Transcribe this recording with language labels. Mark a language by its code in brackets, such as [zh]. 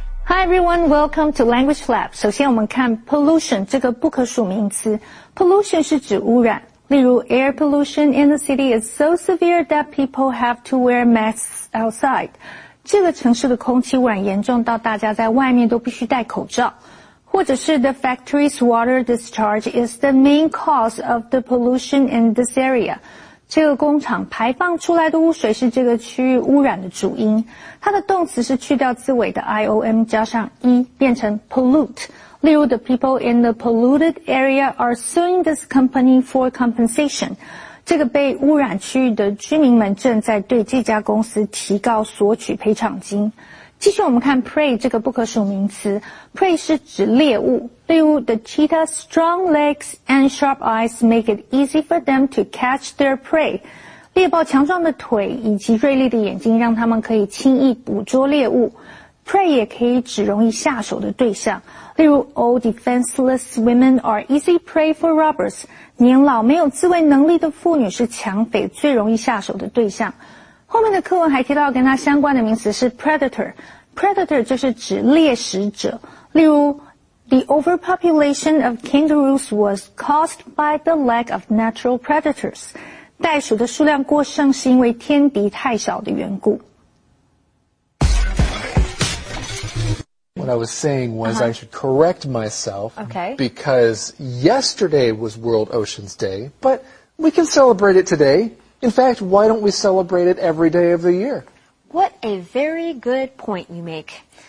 [en] Everyone, welcome to Language Lab. [zh] 首先我们看 pollution 这个不可数名词。 Pollution 是指污染。例如 [en] air pollution in the city is so severe that people have to wear masks outside. [zh] 这个城市的空气污染严重到大家在外面都必须戴口罩。或者是 [en] the factory's water discharge is the main cause of the pollution in this area. [zh] 这个工厂排放出来的污水是这个区域污染的主因。它的动词是去掉字尾的 IOM 加上 E 变成 pollute。例如 [en] the people in the polluted area are suing this company for compensation。 [zh] 这个被污染区域的居民们正在对这家公司提告索取赔偿金。继续我们看 prey 这个不可数名词。prey 是指猎物。例如 [en] the cheetah's strong legs and sharp eyes make it easy for them to catch their prey. [zh] 猎豹强壮的腿以及锐利的眼睛让他们可以轻易捕捉猎物。 [en] prey [zh] 也可以指容易下手的对象。例如 [en] all defenseless women are easy prey for robbers. [zh] 年老没有自卫能力的妇女是强匪最容易下手的对象。后面的课文还提到跟它相关的名词是 predator。predator 就是指猎食者。例如 [en] the overpopulation of kangaroos was caused by the lack of natural predators. [zh] 袋鼠的数量过剩是因为天敌太少的缘故。 [en] What I was saying was、uh-huh. I should correct myself、 okay. because yesterday was World Oceans Day, but we can celebrate it today. In fact, why don't we celebrate it every day of the year? What a very good point you make.